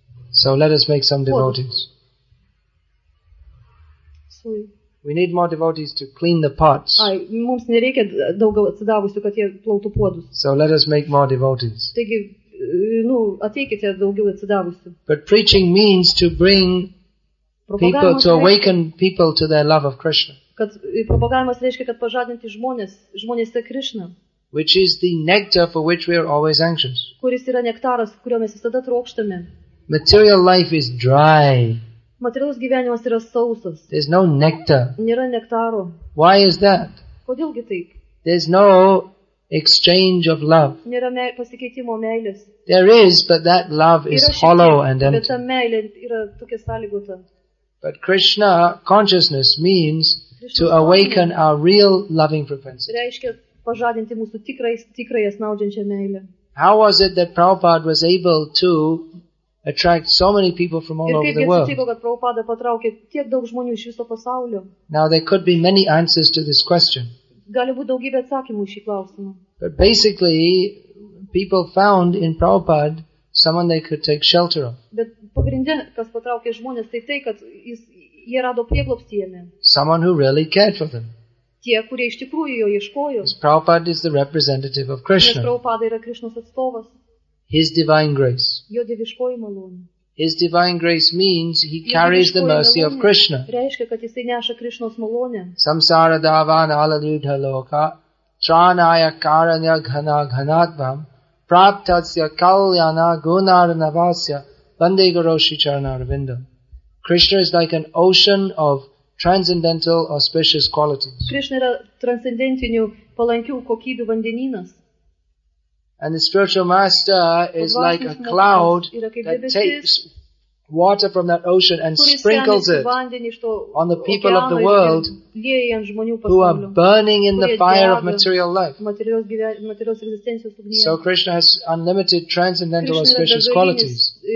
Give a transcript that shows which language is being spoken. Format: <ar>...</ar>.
<en>So let us make some devotees. We need more devotees to clean the pots.</en> <lt>Ai, mums nereikia daugiau atsidavusių, kad jie plautų puodus.</lt> <en>So let us make more devotees.</en> <lt>Taigi, nu, ateikite daugiau atsidavusių.</lt> <en>But preaching means to bring people to awaken people to their love of Krishna.</en> <lt>Kad propagavimas reiškia, kad pažadinti žmonės tą Krishna.</lt> <en>Which is the nectar for which we are always anxious.</en> <lt>Kuris yra nektaras, kurio mes visada trokštame.</lt> <en>Material life is dry.</en> <lt>Materialus gyvenimas yra sausas.</lt> <en>There's no nectar.</en> <lt>Nėra nektaro.</lt> <en>Why is that?</en> <lt>Kodėlgi taip?</lt> <en>There's no exchange of love.</en> <lt>Nėra pasikeitimo meilės.</lt> <en>There is, but that love is hollow and empty.</en> <lt>Bet ta meilė yra tokia sąlygota.</lt> <en>But Krishna consciousness means to awaken our real loving propensity.</en> <lt>Reiškia pažadinti mūsų tikrąją snaudžiančią meilę.</lt> <en>How was it that Prabhupada was able to attract so many people from all over the world?</en> <lt>Ir kaip jis atsitiko, kad Prabhupada patraukė tiek daug žmonių iš viso pasaulio?</lt> <en>Now there could be many answers to this question.</en> <lt>Gali būti daugybė atsakymų šį klausimą.</lt> <en>But basically, people found in Prabhupada someone they could take shelter of.</en> <lt>Bet pagrinde, kas patraukė žmonės, tai, kad jie rado prieglobstį jame.</lt> <en>Someone who really cared for them.</en> <lt>Tie, kurie iš tikrųjų jo ieškojo.</lt> <en>Prabhupada is the representative of Krishna.</en> <lt>Nes Prabhupada yra Krishnos atstovas.</lt> <en>His divine grace.</en> <lt>Jo dieviškoji malonė.</lt> <en>His divine grace means he carries the mercy of Krishna.</en> <lt>Reiškia, kad jisai neša Krishnos malonę.</lt> <sa>Samsara davana alaludha loka tranaya karanya ghana ghanatvam praptasya kalyana gunar navasya vande guru shri charanarvinda.</sa> <en>Krishna is like an ocean of transcendental auspicious qualities.</en> <lt>Krishna yra transcendentinių palankių kokybių vandenynas.</lt> <en>And the spiritual master is like a cloud that takes water from that ocean and sprinkles it on the people of the world who are burning in the fire of material life. So Krishna has unlimited transcendental auspicious qualities.</en>